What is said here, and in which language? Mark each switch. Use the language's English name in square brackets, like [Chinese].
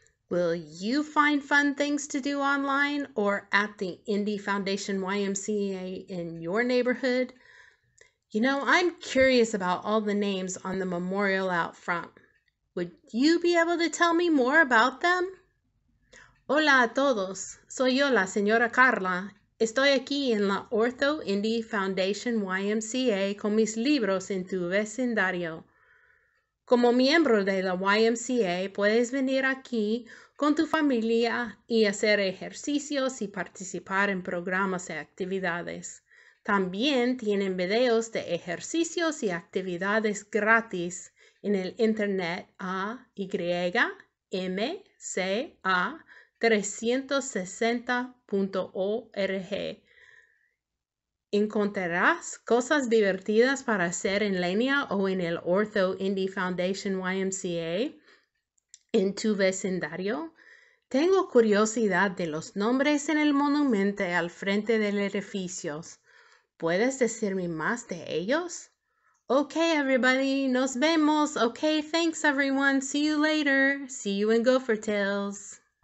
[English] Will you find fun things to do online or at the Indy Foundation YMCA in your neighborhood? You know, I'm curious about all the names on the memorial out front. Would you be able to tell me more about them? [Spanish] Hola a todos. Soy yo, la señora Carla. Estoy aquí en la Ortho Indy Foundation YMCA con mis libros en tu vecindario. Como miembro de la YMCA, puedes venir aquí con tu familia y hacer ejercicios y participar en programas y actividades. También tienen videos de ejercicios y actividades gratis en el internet a ymca360.org. Encontrarás cosas divertidas para hacer en línea o en el Ortho Indy Foundation YMCA en tu vecindario. Tengo curiosidad de los nombres en el monumento al frente del edificio. ¿Puedes decirme más de ellos? [English] Okay, everybody, [Spanish] nos vemos. [English] Okay, thanks everyone. See you later. See you in Gopher Tales.